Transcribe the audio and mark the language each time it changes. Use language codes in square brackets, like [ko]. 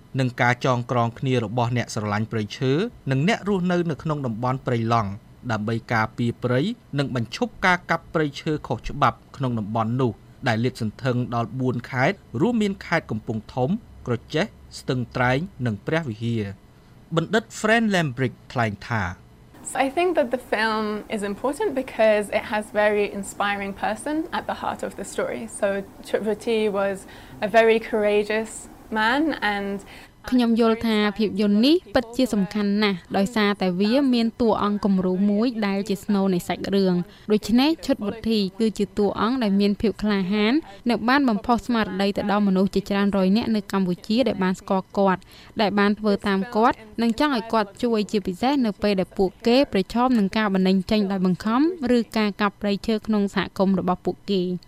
[km] និងការចងក្រងគ្នារបស់អ្នកស្រឡាញ់ព្រៃឈើនិងអ្នករស់នៅក្នុងតំបន់ព្រៃឡង់ដើម្បីការពារព្រៃនិងបញ្ឈប់ការកាប់ព្រៃឈើខុសច្បាប់ក្នុងតំបន់នោះដែលលាតសន្ធឹងដល់4ខេត្តរួមមានខេត្តកំពង់ធំក្រចេះស្ទឹងត្រែងនិងព្រះវិហារបណ្ឌិត Friend Lambrick ថ្លែងថា [en] So I think that the film is important because it has very inspiring person at the heart of the story. So Chutvati was a very courageous man and [km] ខ្ញុំយល់ថាភាពយន្តនេះពិតជាសំខាន់ណាស់ដោយសារតែវាមានតួអង្គគំរូមួយដែលជាស្នូលនៃសាច់រឿងដូច្នេះChutvati គឺជាតួអង្គដែលមានភាពក្លាហាននិងបានបំផុសស្មារតីទៅដល់មនុស្សជាច្រើនរយនាក់នៅកម្ពុជាដែលបានស្គាល់គាត់ដែលបានធ្វើតាមគាត់និងចង់ឲ្យគាត់ជួយជាពិសេសនៅពេលដែលពួកគេប្រឈមនឹងការបណ្ដេញចេញដោយបង្ខំឬការកាប់ព្រៃឈើក្នុងសហគមន៍របស់ពួកគេ